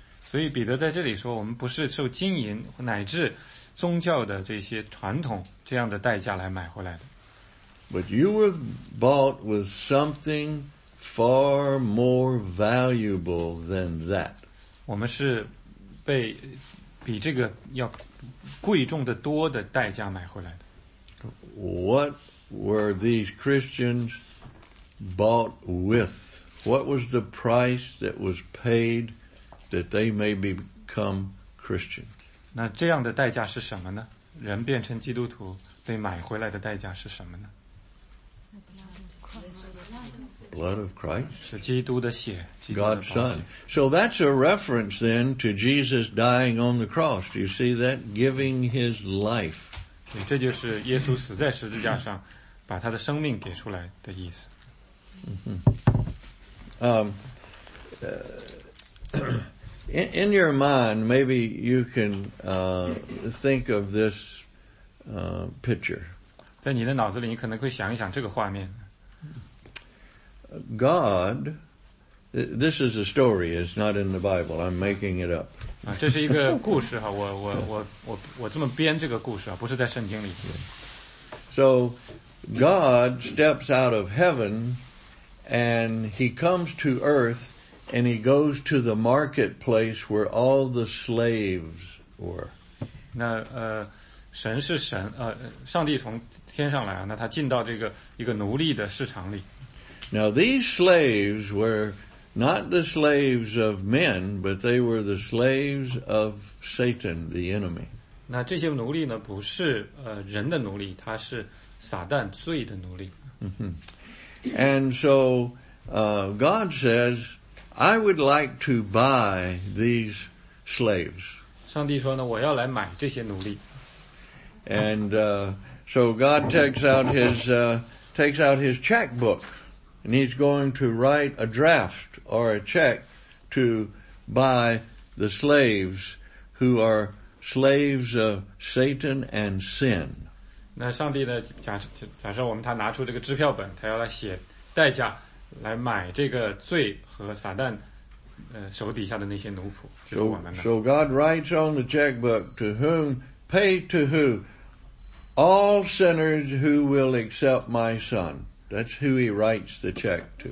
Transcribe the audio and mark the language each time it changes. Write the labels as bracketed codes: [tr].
[zh] 所以彼得在这里说，我们不是受金银乃至宗教的这些传统这样的代价来买回来的。 [en] But you were bought with something far more valuable than that. [zh] 我们是被比这个要贵重的多的代价买回来的。 [en] What were these Christians bought with? What was the price that was paid? That they may become Christian. [zh] 那这样的代价是什么呢？人变成基督徒被买回来的代价是什么呢？ [en] Blood of Christ. [zh] 是基督的血。 [en] God's Son. So that's a reference then to Jesus dying on the cross. Do you see that? Giving his life. [zh] 对，这就是耶稣死在十字架上，把他的生命给出来的意思。 [en] In your mind, maybe you can think of this picture. [zh] 在你的脑子里，你可能会想一想这个画面。 [en] God, this is a story. It's not in the Bible. I'm making it up. [zh] 这是一个故事哈，我这么编这个故事啊，不是在圣经里。 [en] So, God steps out of heaven, and he comes to earth. And he goes to the marketplace where all the slaves were. [zh] 那神是神，上帝从天上来啊，那他进到这个一个奴隶的市场里。 [en] Now these slaves were not the slaves of men, but they were the slaves of Satan, the enemy. [zh] 那这些奴隶呢，不是人的奴隶，他是撒旦罪的奴隶。 [en] And so, God says. I would like to buy these slaves. [zh] 上帝说呢，我要来买这些奴隶。 [en] And so God takes out his checkbook, and he's going to write a draft or a check to buy the slaves who are slaves of Satan and sin. [zh] 那上帝呢，假设我们他拿出这个支票本，他要来写代价。来买这个罪和撒旦手底下的那些奴仆，就是我们的。 [en] So God writes on the checkbook, to whom, pay to who? All sinners who will accept my son. That's who he writes the check to.